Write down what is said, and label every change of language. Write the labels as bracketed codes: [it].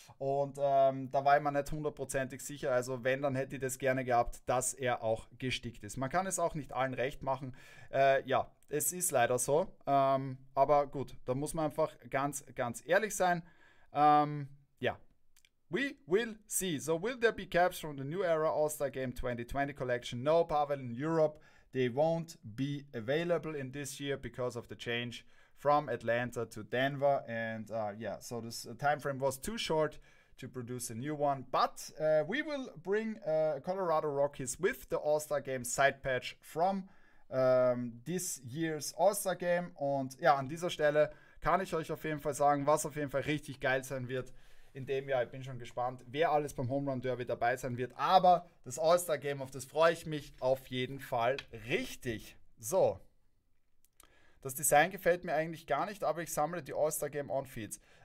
[de] Und da war ich mir nicht hundertprozentig sicher. Also wenn, dann hätte ich das gerne gehabt, dass er auch gestickt ist. Man kann es auch nicht allen recht machen. Ja, es ist leider so. Aber gut, da muss man einfach ganz, ganz ehrlich sein. [en] Ja. We will see. So will there be caps from the new era All-Star Game 2020 Collection? No, Pavel, in Europe. They won't be available in this year because of the change from Atlanta to Denver. And yeah, so this time frame was too short to produce a new one. But we will bring Colorado Rockies with the All-Star Game side patch from this year's All-Star Game. [de] Und ja, an dieser Stelle kann ich euch auf jeden Fall sagen, was auf jeden Fall richtig geil sein wird in dem Jahr. Ich bin schon gespannt, wer alles beim Home Run Derby dabei sein wird. Aber das All-Star Game, auf das freue ich mich auf jeden Fall richtig. So. Das Design gefällt mir eigentlich gar nicht, aber ich sammle die All-Star Game On-Feeds.